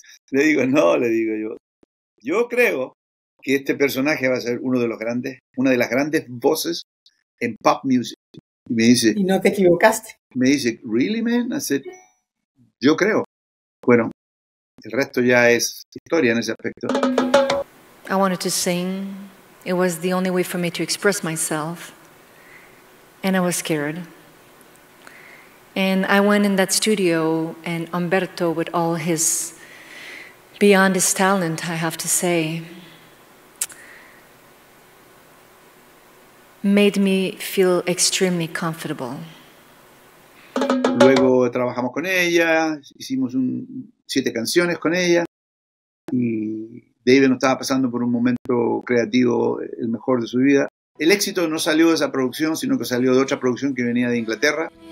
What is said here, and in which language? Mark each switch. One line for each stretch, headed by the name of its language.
Spanish: Le digo, no, le digo yo. Yo creo que este personaje va a ser uno de los grandes, una de las grandes voces en pop music. Y me dice... Y no te equivocaste. Me dice,
English: ¿really, man? I said,
Spanish: yo creo. Bueno, el resto ya es historia en ese aspecto.
English: I wanted to sing. It was the only way for me to express myself. And I was scared. And I went in that studio, and Umberto, with all his beyond his talent, I have to say, made me feel extremely comfortable.
Spanish: Luego trabajamos con ella, hicimos 7 canciones con ella, y David no estaba pasando por un momento creativo el mejor de su vida. El éxito no salió de esa producción, sino que salió de otra producción que venía de Inglaterra.